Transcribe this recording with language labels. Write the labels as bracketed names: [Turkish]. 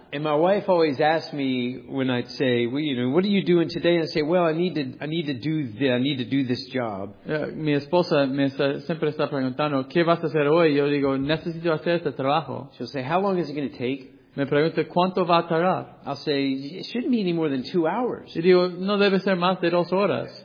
[English] And my wife always asks me when I'd say, well, you know, what are you doing today? And I say, well, I need to do this job. [Spanish] Mi esposa siempre está preguntando, ¿qué vas a hacer hoy? Yo digo, necesito hacer este trabajo. [English] She'll say, how long is it going to take? [Spanish] Me pregunta, ¿cuánto va a tardar? [English] I'll say, it shouldn't be any more than 2 hours. [Spanish] Y digo, no debe ser más de 2 horas.